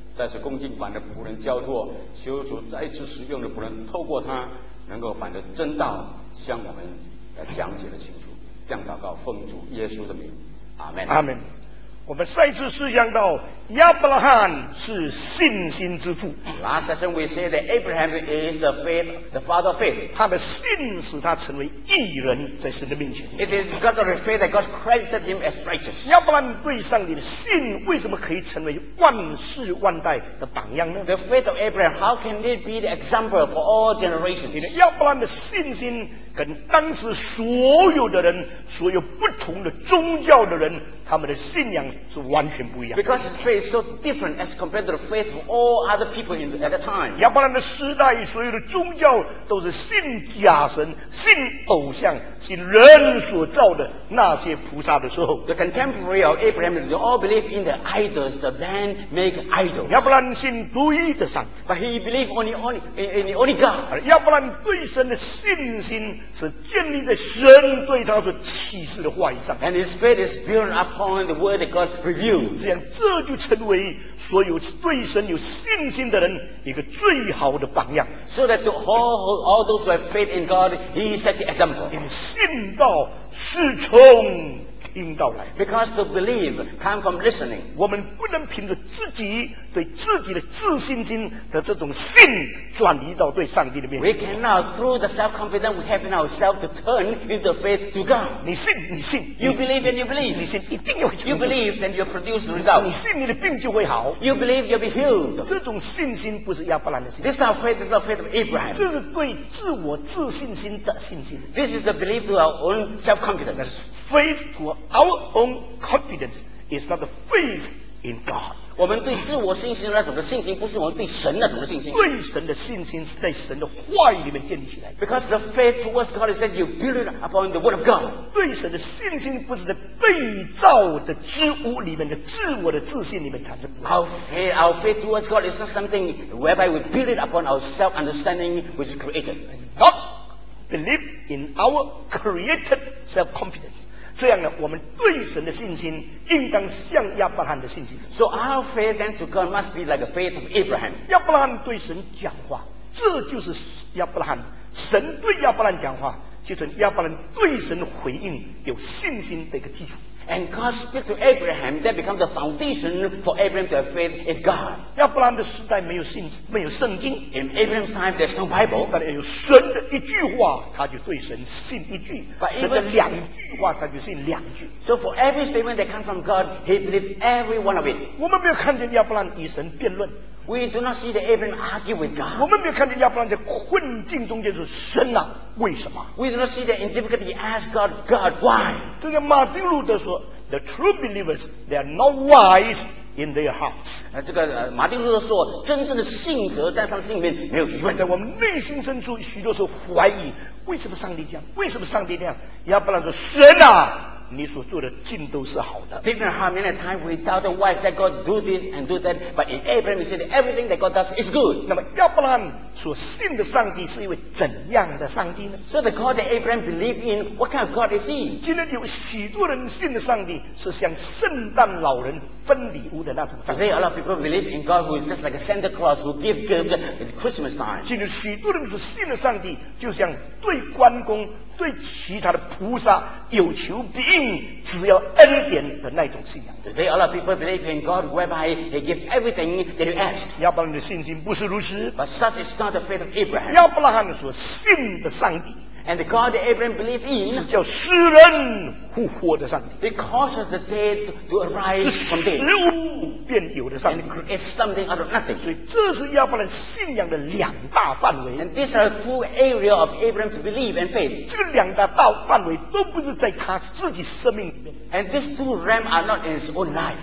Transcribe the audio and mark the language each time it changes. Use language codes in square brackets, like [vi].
[zh] 再次恭敬把这仆人交托，求主再一次使用的仆人透过他，能够把这真道向我们来讲解的清楚。这样祷告奉主耶稣的名，阿们，阿们。我们上一次思想到亚伯拉罕是信心之父。 [en] Last session we say that Abraham is the faith, the father of faith. [zh] 他的信使他成为义人在神的面前。 [en] It is because of his faith that God credited him as righteous. [zh] 亚伯拉罕对上帝的信为什么可以成为万世万代的榜样呢？ [en] The faith of Abraham, how can it be the example for all generations? [zh] 亚伯拉罕的信心跟当时所有的人，所有不同的宗教的人，他们的信仰是完全不一样。 [en] Because his faith is so different as compared to the faith of all other people in at the time. [zh] 亚伯兰的时代，所有的宗教都是信假神、信偶像、信人所造的那些菩萨的时候。 [en] The contemporary of Abraham, they all believe in the idols, the man make idols. [zh] 亚伯兰信独一的上帝。 [en] But he believed only God. [zh] 亚伯兰对神的信心是建立在神对他所启示的话语上。 [en] And his faith is built up. Upon the word that God revealed. [zh] 这样这就成为所有对神有信心的人一个最好的榜样。 [en] So that to all those who have faith in God, he is the example. [zh] 因为信道是从听到来。 [en] Because to believe comes from listening. [zh] 我们不能凭着自己对自己的自信心的这种信转移到对上帝的面前。 [en] We cannot through the self-confidence we have in ourselves to turn into faith to God. [zh] 你信，你信。 [en] You believe and you believe. [zh] 你信一定会成就。 [en] You believe and you produce the result. [zh] 你信你的病就会好。 [en] You believe you'll be healed. [zh] 这种信心不是亚伯兰的信心。 [en] This is not faith, this is not faith of Abraham. [zh] 这是对自我自信心的信心。 [en] This is the belief to our own self-confidence. Faith to our own confidence is not the faith in God. [zh] 我们对自我信心那种的信心，不是我们对神那种的信心。对神的信心是在神的话语里面建立起来。 [en] Because the faith towards God is that you build it upon the word of God. [zh] 对神的信心不是在被造的之物里面的自我的自信里面产生。 [en] Our faith towards God is not something whereby we build it upon our self-understanding which is created. Not believe in our created self-confidence. [zh] 这样呢，我们对神的信心应当像亚伯兰的信心。 [en] So our faith then to God must be like the faith of Abraham. [zh] 亚伯兰对神讲话，这就是亚伯兰。神对亚伯兰讲话，就是亚伯兰对神回应有信心的一个基础。 [en] And God speak to Abraham, that becomes the foundation for Abraham to have faith in God. [zh] 要不然的时代没有信，没有圣经。 [en] In Abraham's time, there's no Bible. [zh] 但有神的一句话，他就对神信一句；神的两句话，他就信两句。 [en] So for every statement that comes from God, he believes every one of it. [zh] 我们没有看见亚伯兰与神辩论。 [en] We do not see the Abraham argue with God. [zh] 我们没有看见亚伯兰在困境中间说神啊，为什么？ [en] We do not see that in difficulty. Ask God, God, why? [zh] 这个马丁路德说 [en] ，The true believers, they are not wise in their hearts. [zh] 这个马丁路德说，真正的信者在他的心里面没有疑问，在我们内心深处许多时候怀疑，为什么上帝这样？为什么上帝那样？亚伯兰说，神啊。你所做的尽都是好的。 [en] Deep in heart, many times we doubt the wise that God do this and do that, but in Abraham, he said everything that God does is good. [zh] 那么亚伯兰所信的上帝是一位怎样的上帝呢 [en] ？So the God that Abraham believed in, what kind of God is he? [zh] 今天有许多人信的上帝是像圣诞老人分礼物的那种上帝。 [en] Today, a lot of people believe in God who is just like a Santa Claus who gives gifts at Christmas time. [zh] 今天许多人所信的上帝就像对关公。对其他的菩萨有求必应，只要恩典的那种信仰。 [en] Today a lot of people believe in God whereby He gives everything that you ask. [zh] 亚伯兰的信心不是如此。 [en] But such is not the faith of Abraham. [zh] 亚伯拉罕所信的上帝。 [en] And the God that Abraham believed in [zh] 是叫死人复活的上帝。 [en] It causes the dead to arise from dead. [zh] 是死物变有的上帝。 [en] And creates something out of nothing. [zh] 所以这是亚伯兰信仰的两大范围。 [en] And these are two areas of Abraham's belief and faith. [zh] 这个两大道范围都不是在他自己生命里面。 [en] And these two realms are not in his own life.